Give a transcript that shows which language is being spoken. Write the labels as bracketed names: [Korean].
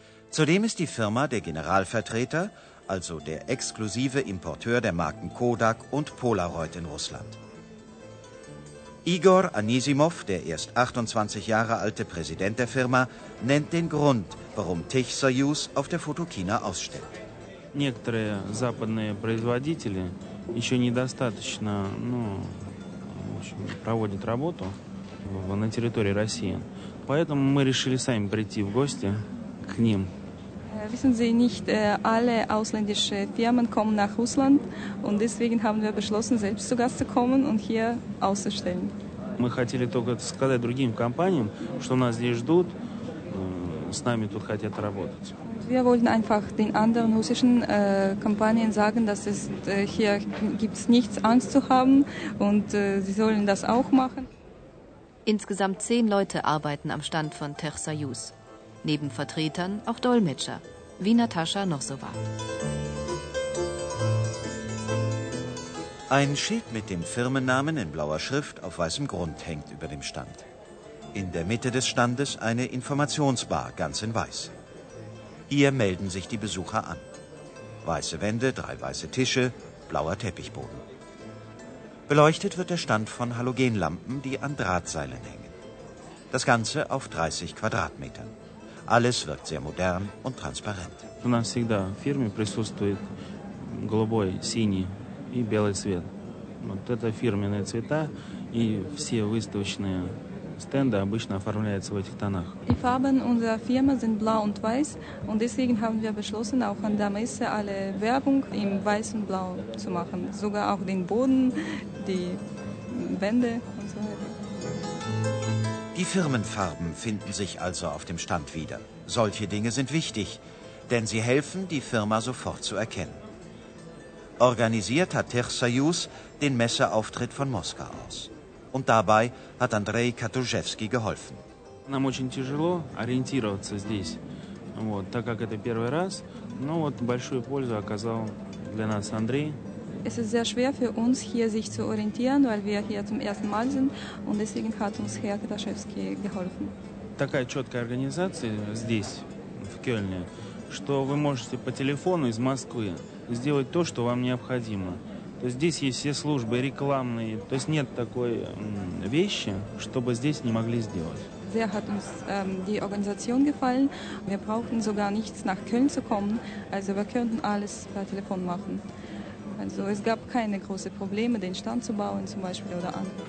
[German] Zudem ist die Firma der Generalvertreter, also der exklusive Importeur der Marken Kodak und Polaroid in Russland. Igor Anisimov, der erst 28 Jahre alte Präsident der Firma, nennt den Grund, warum Techsoyuz auf der Fotokina ausstellt. [Russian] Некоторые западные производители еще недостаточно, ну, в общем, проводят работу на территории России. Поэтому мы решили сами прийти в гости к ним. [German] Wissen Sie, nicht alle ausländischen Firmen kommen nach Russland und deswegen haben wir beschlossen, selbst zu Gast zu kommen und hier auszustellen. [Russian] Мы хотели только сказать другим компаниям, что нас здесь ждут, с нами тут хотят работать. [German] Wir wollten einfach den anderen russischen Kompanien sagen, dass es hier gibt's nichts Angst zu haben und sie sollen das auch machen. Insgesamt 10 Leute arbeiten am Stand von Techsoyuz. Neben Vertretern auch Dolmetscher, wie Natascha noch so war. Ein Schild mit dem Firmennamen in blauer Schrift auf weißem Grund hängt über dem Stand. In der Mitte des Standes eine Informationsbar, ganz in weiß. Hier melden sich die Besucher an. Weiße Wände, 3 weiße Tische, blauer Teppichboden. Beleuchtet wird der Stand von Halogenlampen, die an Drahtseilen hängen. Das Ganze auf 30 Quadratmetern. Alles wirkt sehr modern und transparent. [Russian] У нас всегда в фирме присутствует голубой, синий и белый цвет. Вот это фирменные цвета, и все выставочные стенды обычно оформляются в этих тонах. [German] Die Farben unserer Firma sind blau und weiß und deswegen haben wir beschlossen, auch an der Messe alle Werbung im weiß und blau zu machen, sogar auch den Boden, die Wände und so weiter. Die Firmenfarben finden sich also auf dem Stand wieder. Solche Dinge sind wichtig, denn sie helfen, die Firma sofort zu erkennen. Organisiert hat Techsoyuz den Messeauftritt von Moskau aus. Und dabei hat Andrei Katuszewski geholfen. [Russian] Нам очень тяжело ориентироваться здесь, вот, так как это первый раз. Но вот большую пользу оказал для нас Андрей. [German] Es ist sehr schwer für uns, hier sich zu orientieren, weil wir hier zum ersten Mal sind. Und deswegen hat uns Herr Kataszewski geholfen. [Russian] Такая четкая организация здесь, в Кёльне, что вы можете по телефону из Москвы сделать то, что вам необходимо. То есть здесь есть все службы рекламные. То есть нет такой вещи, чтобы здесь не могли сделать. [German] Sehr hat uns die Organisation gefallen. Wir brauchten sogar nichts nach Köln zu kommen. Also wir könnten alles per Telefon machen. Also es gab keine großen Probleme, den Stand zu bauen zum Beispiel oder an.